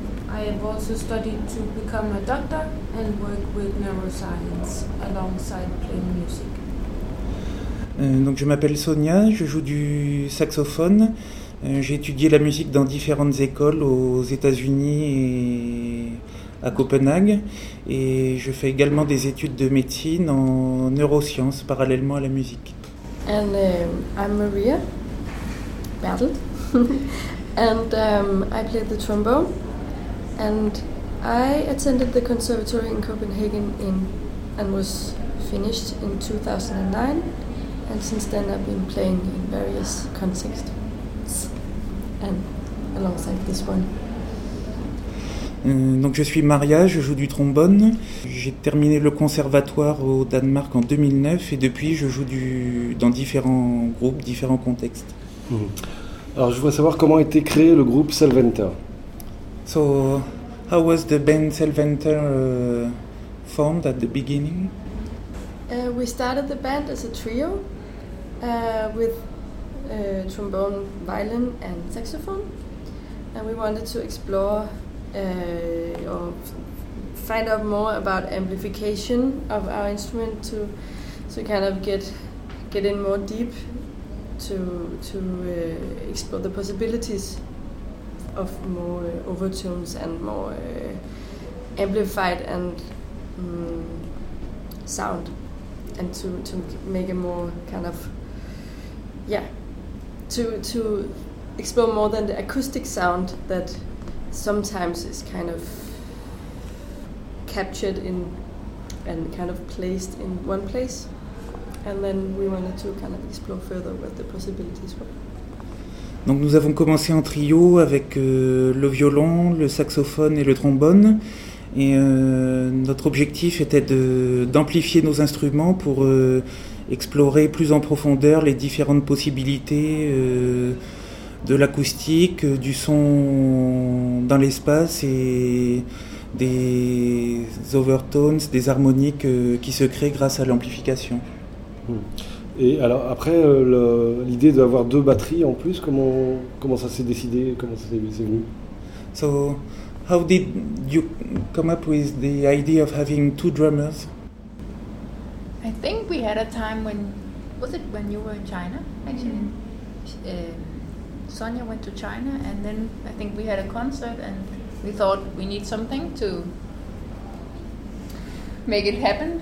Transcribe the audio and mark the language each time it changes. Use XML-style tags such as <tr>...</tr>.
<en>I have also studied to become a doctor and work with neuroscience alongside playing music.</en> <fr>Donc je m'appelle Sonia, je joue du saxophone. J'ai étudié la musique dans différentes écoles aux États-Unis et à Copenhague. Et je fais également des études de médecine en neurosciences parallèlement à la musique.</fr> <en>And I'm Maria Bertelt, and I play the trombone, and I attended the conservatory in Copenhagen and was finished in 2009, and since then I've been playing in various contexts, and alongside this one.</en> <fr>Donc je suis Maria, je joue du trombone. J'ai terminé le conservatoire au Danemark en 2009 et depuis je joue dans différents groupes, différents contextes. Alors je voudrais savoir comment a été créé le groupe Selventer.</fr> <en>So how was the band Selventer formed at the beginning? We started the band as a trio with trombone, violin and saxophone, and we wanted to explore or find out more about amplification of our instrument to kind of get in more deep to explore the possibilities of more overtones and more amplified and sound and to make a more kind of to explore more than the acoustic sound that sometimes it's kind of captured in and kind of placed in one place, and then we wanted to kind of explore further what the possibilities were.</en> <fr>Donc nous avons commencé en trio avec le violon, le saxophone et le trombone, et notre objectif était d'amplifier nos instruments pour explorer plus en profondeur les différentes possibilités de l'acoustique, du son dans l'espace et des overtones, des harmoniques qui se créent grâce à l'amplification. Et alors après, l'idée d'avoir deux batteries en plus, comment ça s'est décidé, comment ça s'est venu?</fr> <en>So, how did you come up with the idea of having two drummers? I think we had a time when, was it when you were in China, actually? Sonia went to China, and then I think we had a concert, and we thought we need something to make it happen.</en>